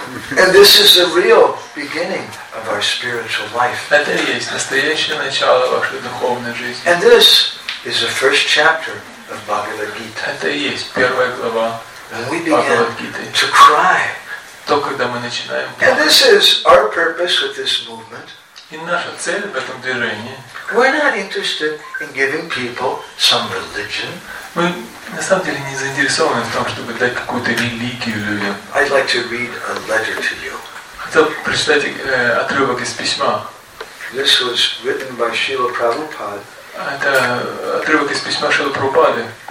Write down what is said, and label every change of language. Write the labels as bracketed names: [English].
[English] And this is the real beginning of our spiritual life. [Russian] Это и есть настоящее начало вашей духовной жизни. [English] And this is the first chapter of Bhagavad Gita. [Russian] Это и есть первая глава Бхагавад Гиты. [English] To cry. [Russian] То, когда мы начинаем плакать. [English] And this is our purpose with this movement. [Russian] И наша цель в этом движении. [English] We're not interested in giving people some religion. [Russian] Мы на самом деле не заинтересованы в том, чтобы дать какую-то религию людям. [English] I'd like to read a letter to you. [Russian] Хотел прочитать отрывок из письма. [English] This was written by Srila Prabhupada. [Russian] Это отрывок из письма Шрилы Прабхупады.